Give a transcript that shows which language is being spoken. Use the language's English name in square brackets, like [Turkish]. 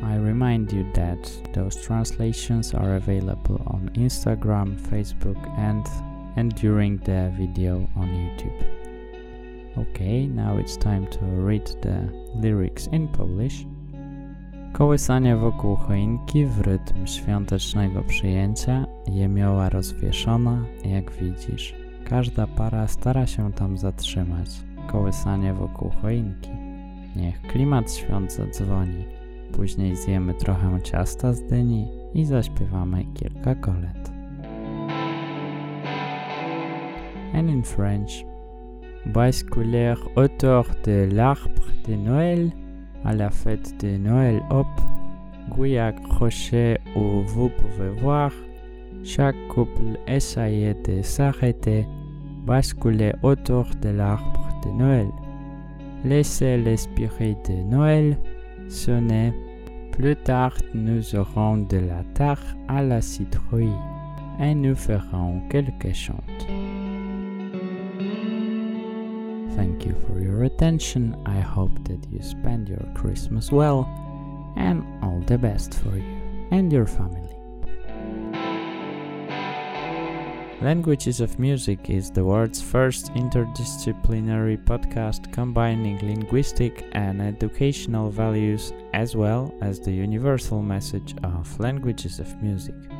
[English] I remind you that those translations are available on Instagram, Facebook and during the video on YouTube. Okay, now it's time to read the lyrics in Polish. [Polish] Kołysanie wokół choinki w rytm świątecznego przyjęcia, jemioła rozwieszona, jak widzisz. Każda para stara się tam zatrzymać. Kołysanie wokół choinki. Niech klimat świąt zadzwoni. Później zjemy trochę ciasta z dyni i zaśpiewamy kilka kolęd. [English] And in French. [French] Basculer autour de l'arbre de Noël, à la fête de Noël, hop, Guy accroché où vous pouvez voir, chaque couple essayait de s'arrêter, basculer autour de l'arbre de Noël. Laissez l'esprit de Noël sonner, plus tard nous aurons de la tarte à la citrouille et nous ferons quelques chants. [English] Thank you for your attention. I hope that you spend your Christmas well, and all the best for you and your family. Languages of Music is the world's first interdisciplinary podcast combining linguistic and educational values as well as the universal message of Languages of Music.